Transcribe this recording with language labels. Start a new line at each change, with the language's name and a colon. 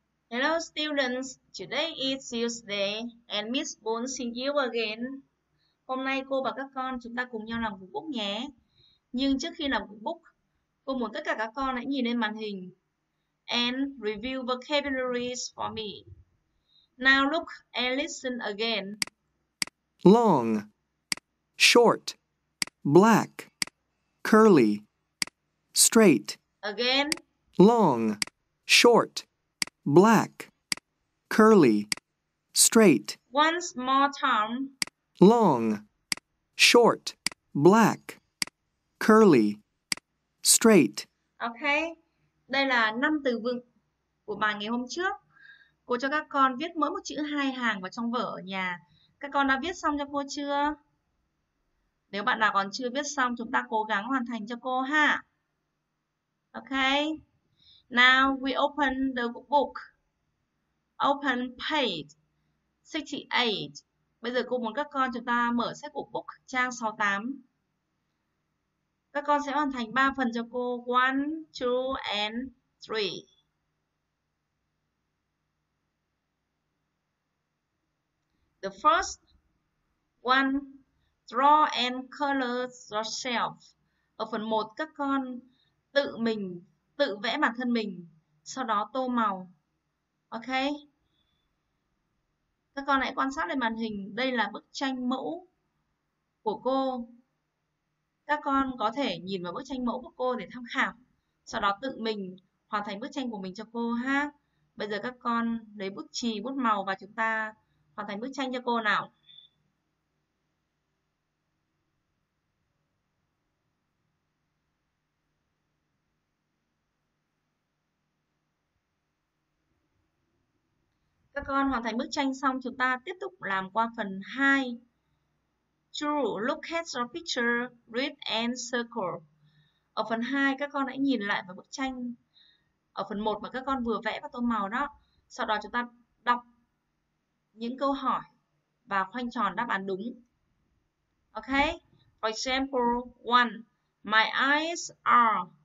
English: Hello students, today is Tuesday and Miss Bone see you again.
Vietnamese: Hôm nay cô và các con chúng ta cùng nhau làm cuộc bút nhé. Nhưng trước khi làm cuộc bút, cô muốn tất cả các con hãy nhìn lên màn hình
English: and review vocabularies for me. Now look and listen again. Long, short, black, curly, straight. Again. Long, short, black, curly, straight. Once more time. Long, short, black, curly, straight.
Vietnamese: Okay, đây là năm từ vựng của bài ngày hôm trước. Cô cho các con viết mỗi một chữ hai hàng vào trong vở ở nhà. Các con đã viết xong cho cô chưa? Nếu bạn nào còn chưa viết xong, chúng ta cố gắng hoàn thành cho cô ha. Okay.
English: Now we open the book. Open page 68.
Vietnamese: Bây giờ cô muốn các con chúng ta mở sách của book trang 68. Các con sẽ hoàn thành 3 phần cho cô.
English: 1, 2 and 3. The first one, draw and color yourself.
Vietnamese: Ở phần 1, các con tự mình, tự vẽ bản thân mình, sau đó tô màu. Ok. Các con hãy quan sát lên màn hình. Đây là bức tranh mẫu của cô. Các con có thể nhìn vào bức tranh mẫu của cô để tham khảo, sau đó tự mình hoàn thành bức tranh của mình cho cô ha. Bây giờ các con lấy bút chì, bút màu và chúng ta hoàn thành bức tranh cho cô nào. Các con hoàn thành bức tranh xong, chúng ta tiếp tục làm qua phần 2.
English: True, look at your picture, read and circle.
Vietnamese: Ở phần 2, các con hãy nhìn lại vào bức tranh ở phần 1 mà các con vừa vẽ và tô màu đó. Sau đó chúng ta đọc những câu hỏi và khoanh tròn đáp án đúng.
English: Ok, for example 1. My eyes are.